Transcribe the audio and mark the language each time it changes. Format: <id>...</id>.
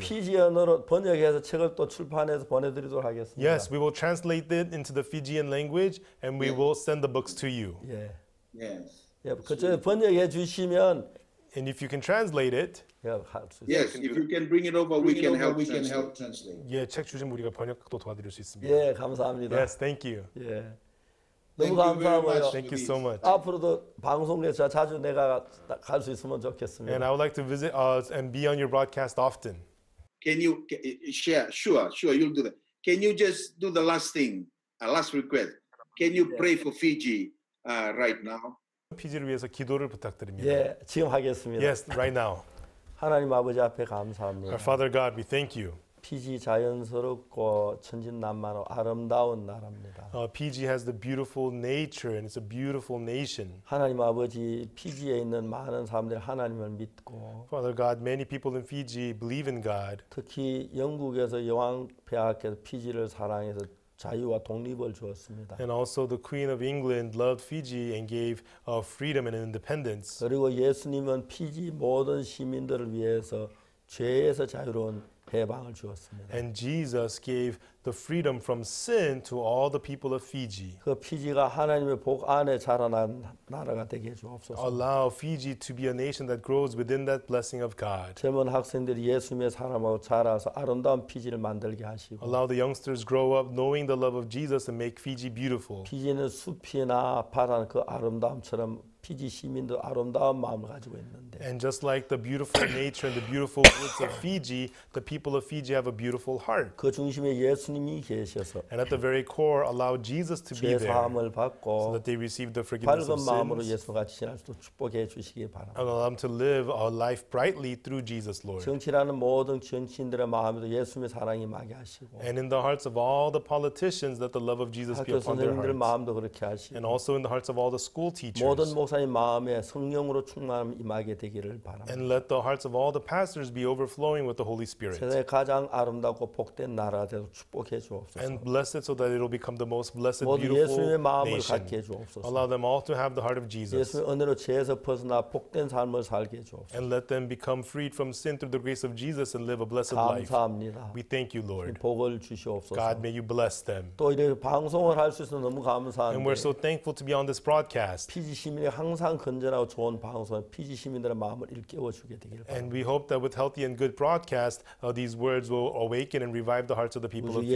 <ko>피지언어로 번역해서 책을 또 출판해서 보내드리도록 하겠습니다.</ko> <en>Yes, we will translate it into the Fijian language and we will send the books to you.</en> <ko>예.</ko> <en>Yes.</en> <ko>예, 그쪽에 번역해 주시면</ko> <en>And if you can translate it, yeah, yes. If you can bring it over, we can help. We can help translate.</en> <ko>예, 책 주신 우리가 번역도 도와드릴 수 있습니다. 예, 감사합니다.</ko> <en>Yes, thank you.</en> <ko>예, 너무 감사합니다.</ko> <en>Thank you so much.</en> <ko>앞으로도 방송에 자주 내가 갈 수 있으면 좋겠습니다.</ko> <en>And I would like to visit us and be on your broadcast often. Can you share? Sure. You'll do that. Can you just do the last thing? A last request. Can you pray for Fiji right now?</en> <ko>피지를 위해서 기도를 부탁드립니다. 예, 지금 하겠습니다.</ko> <en>Yes, right now.</en> <ko>하나님 아버지 앞에 감사합니다.</ko> <en>Our Father God, we thank you.</en> <ko>피지 자연스럽고 천진난만하고 아름다운 나라입니다.</ko> <en>Fiji has the beautiful nature and it's a beautiful nation.</en> <ko>하나님 아버지 피지에 있는 많은 사람들이 하나님을 믿고</ko> <en>Father God, many people in Fiji believe in God.</en> <ko>특히 영국에서 여왕 폐하께서 피지를 사랑해서 자유와 독립을 주었습니다.</ko> <en>And also the Queen of England loved Fiji and gave freedom and independence.</en> <ko>그리고 예수님은 피지 모든 시민들을 위해서 죄에서 자유로운 해방을 주었습니다.</ko> <en>And Jesus gave the freedom from sin to all the people of Fiji.</en> <ko>그 피지가 하나님의 복 안에 자라난 나라가 되게 주옵소서.</ko> <en>Allow Fiji to be a nation that grows within that blessing of God.</en> <ko>젊은 학생들이 예수님의 사랑으로 자라서 아름다운 피지를 만들게 하시고.</ko> <en>Allow the youngsters grow up knowing the love of Jesus and make Fiji beautiful.</en> <ko>피지는 숲이나 바다나 그 아름다움처럼 피지 시민도 아름다운 마음을 가지고 있는데.</ko> <en>And just like the beautiful nature and the beautiful woods of Fiji, the people of Fiji have a beautiful heart.</en> <ko>그 중심에 예수님이 계셔서.</ko> <en>And at the very core, allow Jesus to be there.</en> <ko>죄 사함을 받고.</ko> <en>So that they receive the forgiveness of sins.</en> <ko>밝은 마음으로 예수 같이 지날 수 있도록 축복해 주시기 바랍니다.</ko> <en>And allow them to live a life brightly through Jesus, Lord.</en> <ko>정치라는 모든 정치인들의 마음에도 예수님의 사랑이 마게 하시고.</ko> <en>And in the hearts of all the politicians, that the love of Jesus be upon their hearts.</en> <ko>학교 마음도 그렇게 하시고.</ko> <en>And also in the hearts of all the school teachers.</en> <ko>마음에 성령으로 충만함 임하게 되기를 바랍니다.</ko> <en>And let the hearts of all the pastors be overflowing with the Holy Spirit.</en> <ko>세상에 가장 아름답고 복된 나라 되도록 축복해 주옵소서.</ko> <en>And bless it so that it will become the most blessed, beautiful nation.</en> <ko>모두 예수님의 마음을 갖게 해 주옵소서.</ko> <en>Allow them all to have the heart of Jesus.</en> <ko>예수의 은혜로 죄에서 벗어나 복된 삶을 살게 해 주옵소서.</ko> <en>And let them become freed from sin through the grace of Jesus and live a blessed</en> <ko>감사합니다.</ko> <en>life.</en> <ko>감사합니다.</ko> <en>We thank you, Lord.</en> <ko>복을 주시옵소서.</ko> <en>God, may you bless them.</en> <ko>또 이렇게 방송을 할 수 있어서 너무 감사합니다.</ko> <en>And we're so thankful to be on this broadcast.</en> <ko>피지 시민의 항상 건전하고 좋은 방송, 피지 시민들의 마음을 일깨워 주게 되기를 바랍니다.</ko> <en>And we hope that with healthy and good broadcast, these words will awaken and revive the hearts of the people of Fiji.</en>